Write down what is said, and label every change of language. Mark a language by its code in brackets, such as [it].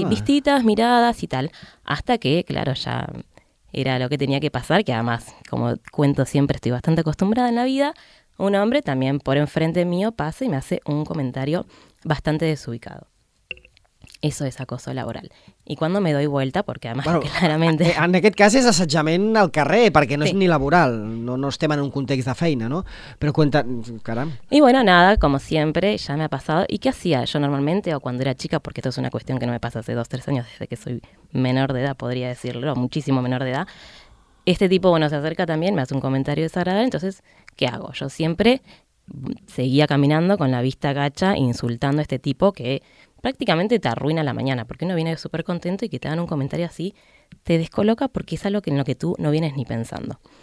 [es] Sí, vistitas, miradas y tal. Hasta que, claro, ya era lo que tenía que pasar, que además, como cuento siempre, estoy bastante acostumbrada en la vida. Un hombre también por enfrente mío pasa y me hace un comentario bastante desubicado. Eso es acoso laboral. Y cuando me doy vuelta, porque además, bueno, claramente... [ca] En aquest cas és assetjament al carrer, perquè no sí. És ni laboral, no estem en un context de feina, ¿no? [es] Pero cuenta, caram. Y bueno, nada, como siempre, ya me ha pasado. ¿Y qué hacía yo normalmente o cuando era chica? Porque esto es una cuestión que no me pasa hace 2-3 años, desde que soy menor de edad, podría decirlo, muchísimo menor de edad. Este tipo, bueno, se acerca también, me hace un comentario desagradable, entonces, ¿qué hago? Yo siempre seguía caminando con la vista gacha, insultando a este tipo que prácticamente te arruina la mañana, porque uno viene súper contento y que te hagan un comentario así te descoloca porque es algo en lo que tú no vienes ni pensando.